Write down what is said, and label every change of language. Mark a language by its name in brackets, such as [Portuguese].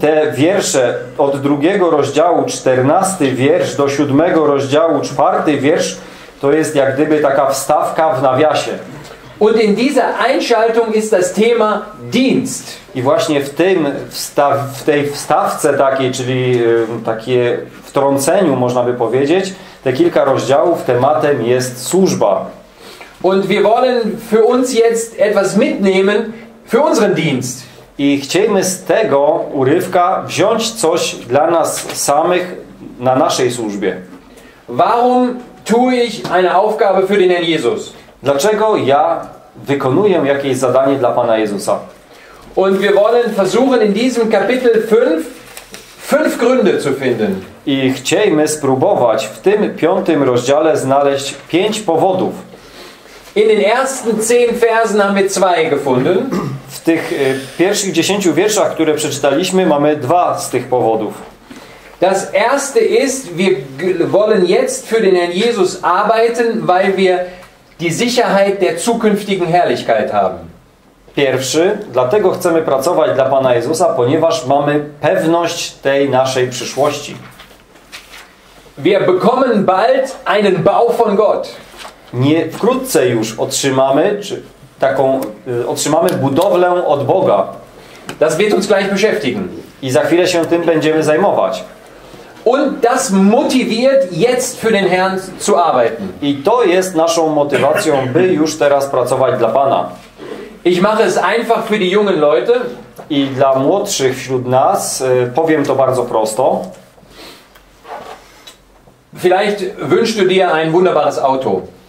[Polish] Te wiersze od drugiego rozdziału 14 wiersz do 7 rozdziału 4 wiersz to jest jak gdyby taka wstawka w nawiasie. [German] Und in dieser Einschaltung ist das Thema Dienst. [Polish] I właśnie w tej wstawce takiej, czyli takie wtrąceniu, można by powiedzieć, te kilka rozdziałów tematem jest służba. [German] Und wir wollen für uns jetzt etwas mitnehmen für unseren Dienst. [Polish] I chcielibyśmy z tego urywka wziąć coś dla nas samych na naszej służbie? [German] Warum tue ich eine Aufgabe für den Herrn Jesus? [Polish] Dlaczego ja wykonuję jakieś zadanie dla Pana Jezusa? [German] Und wir wollen versuchen in diesem Kapitel 5 fünf Gründe zu finden. [Polish] I chcemy spróbować w tym piątym rozdziale znaleźć 5 powodów. [German] In den ersten 10 Versen haben wir 2 gefunden. [Polish] W tych pierwszych 10 wierszach, które przeczytaliśmy, mamy 2 z tych powodów. [German] Das erste ist, wir wollen jetzt für den Herrn Jesus arbeiten, weil wir die Sicherheit der zukünftigen Herrlichkeit haben. [Polish] Pierwszy, dlatego chcemy pracować dla Pana Jezusa, ponieważ mamy pewność tej naszej przyszłości. [German] Wir bekommen bald einen Bau von Gott. [Polish] Nie wkrótce już otrzymamy otrzymamy budowlę od Boga. [German] Das wird uns gleich beschäftigen. [Polish] I za chwilę się tym będziemy zajmować. [German] Und das motiviert jetzt für den Herrn zu arbeiten. [Polish] I to jest naszą motywacją, by już teraz pracować dla Pana. [German] Ich mache es einfach für die jungen Leute. [Polish] I dla młodszych wśród nas powiem to bardzo prosto. [German] Vielleicht wünschst du dir ein wunderbares Auto.